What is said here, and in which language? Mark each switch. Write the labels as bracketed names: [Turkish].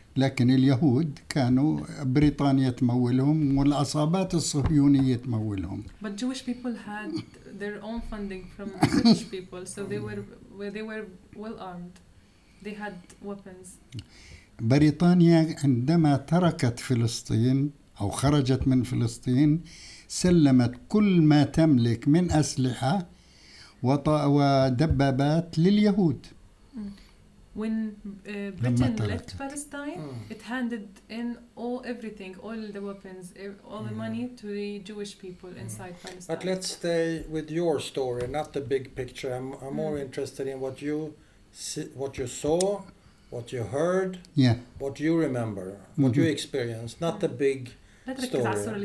[Arabic] لكن اليهود كانوا بريطانيا تمولهم والعصابات الصهيونية تمولهم. [English] But Jewish people had their own funding from British people, so they were well armed. They had weapons. [Arabic] بريطانيا عندما تركت فلسطين أو خرجت من فلسطين سلمت كل ما تملك من أسلحة ودبابات لليهود. [English] When Britain left Palestine, it handed in all everything, all the weapons, all the money to the Jewish people inside Palestine. But let's stay with your story, not the big picture. I'm more interested in what you see, what you saw, what you heard, what you remember, what you experienced, not the big story.